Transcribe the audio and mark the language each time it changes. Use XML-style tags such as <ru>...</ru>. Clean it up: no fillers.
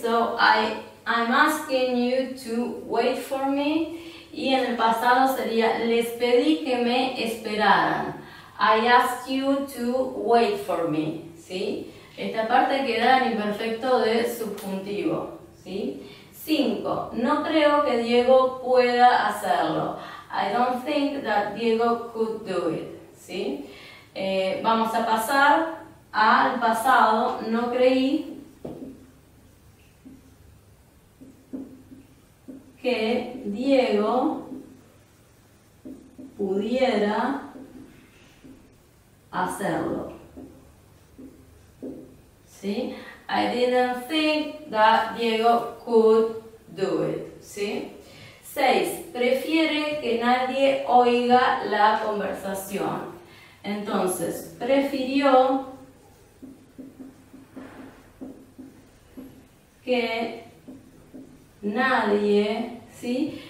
<en>So, I'm asking you to wait for me.</en> <es>Y en el pasado sería, les pedí que me esperaran.</es> <en>I asked you to wait for me.</en> <es>¿Sí? Esta parte queda en imperfecto de subjuntivo. ¿Sí? 5. No creo que Diego pueda hacerlo.</es> <en>I don't think that Diego could do it.</en> <es>¿Sí? Vamos a pasar al pasado. No creí que Diego pudiera hacerlo. ¿Sí?</es> <en>I didn't think that Diego could do it.</en> <es>¿Sí? 6. Prefiere que nadie oiga la conversación. Entonces, prefirió que nadie, ¿sí?</es>